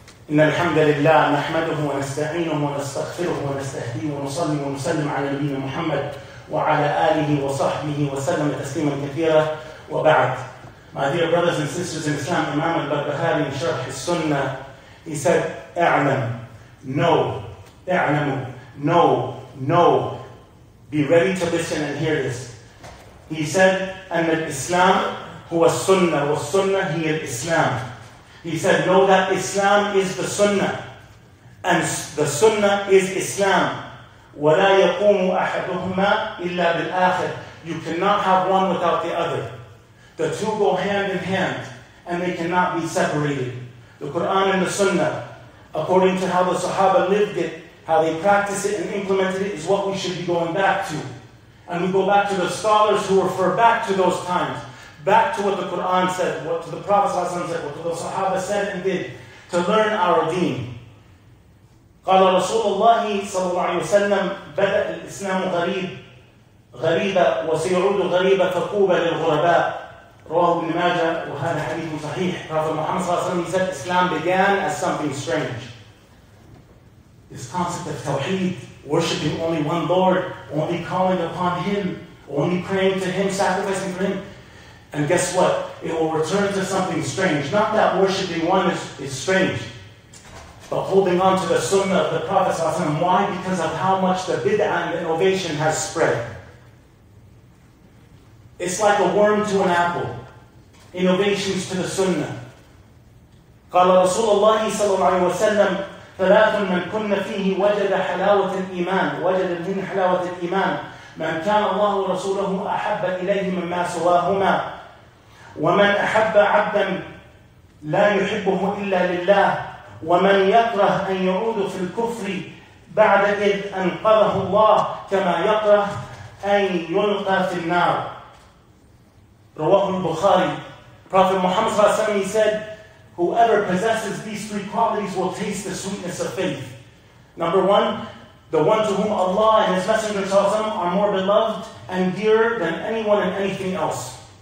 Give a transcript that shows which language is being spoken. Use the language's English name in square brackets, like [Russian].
[Arabic] إن الحمد لله نحمده ونستعينه ونستغفره ونستهديه ونصلي ونسلم على نبينا محمد وعلى آله وصحبه وسلم تسليما كثيرا وبعد. [English] My dear brothers and sisters in Islam, Imam al-Baghdadi in Sharh al-Sunnah, he said, اعلم, know, اعلم, know, know, be ready to listen and hear this. He said, [Arabic] أن الإسلام هو السنة والسنة هي الإسلام. [English] He said, know that Islam is the Sunnah, and the Sunnah is Islam. [Arabic] وَلَا يَقُومُ أَحَدُهُمَا إِلَّا بِالْآخِرِ. [English] You cannot have one without the other. The two go hand in hand, and they cannot be separated. The Quran and the Sunnah, according to how the Sahaba lived it, how they practiced it and implemented it, is what we should be going back to. And we go back to the scholars who refer back to those times. Back to what the Quran said, what to the Prophet ﷺ said, what to the Sahaba said and did, to learn our deen. [Arabic] قال رسول الله صلى الله عليه وسلم بدأ الإسلام غريب غريبة وسيعود غريبة فقوبة للغرباء. رواه ابن ماجة وهذا حديث صحيح. [English] Prophet Muhammad [Arabic] صلى الله عليه وسلم [English] said Islam began as something strange. This concept of Tawheed, worshipping only one Lord, only calling upon Him, only praying to Him, sacrificing for Him. And guess what? It will return to something strange. Not that worshipping one is strange, but holding on to the sunnah of the Prophet ﷺ. Why? Because of how much the bid'ah and the innovation has spread. It's like a worm to an apple. Innovations to the sunnah. [Arabic] قال رسول الله صلى الله عليه وسلم ثلاث من كن فيه وجد حلاوة الإيمان وجد من حلاوة الإيمان من كان الله ورسوله أحب إليه مما سواهما ومن أحب عبدا لا يحبه إلا لله ومن يكره أن يعود في الكفر بعد إذ أنقذه الله كما يكره أن يلقى في النار. رواه البخاري. [English] Prophet Muhammad [Arabic] صلى الله عليه وسلم [English] said, whoever possesses these three qualities will taste the sweetness of faith. Number one, the one to whom Allah and His Messenger [Arabic] صلى الله عليه وسلم [English] are more beloved and dearer than anyone and anything else.